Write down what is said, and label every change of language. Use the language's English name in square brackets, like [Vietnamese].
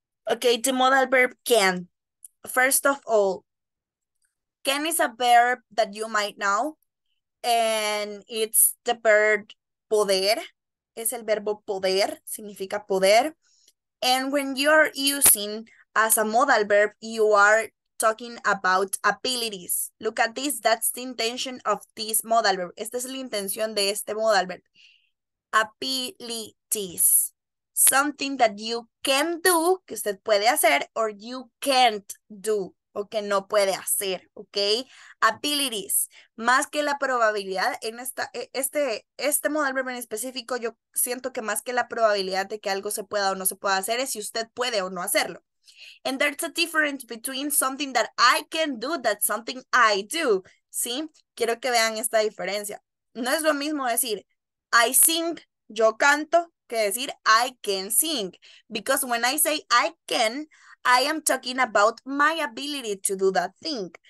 [English] Okay, the modal verb can. First of all, can is a verb that you might know, and it's the verb poder. [Spanish] Es el verbo poder, significa poder. [English] And when you're using as a modal verb, you are talking about abilities. Look at this, that's the intention of this modal verb. [Spanish] Esta es la intención de este modal verb. [English] Abilities. Something that you can do, [Spanish] que usted puede hacer, [English] or you can't do, [Spanish] o que no puede hacer, [English] ¿ok? Abilities. [Spanish] Más que la probabilidad, en este modal verb en específico, yo siento que más que la probabilidad de que algo se pueda o no se pueda hacer, es si usted puede o no hacerlo. [English] And there's a difference between something that I can do that something I do, ¿sí? [Spanish] Quiero que vean esta diferencia. No es lo mismo decir, [English] I sing, [Spanish] yo canto, que decir, [English] I can sing. Because when I say I can, I am talking about my ability to do that thing.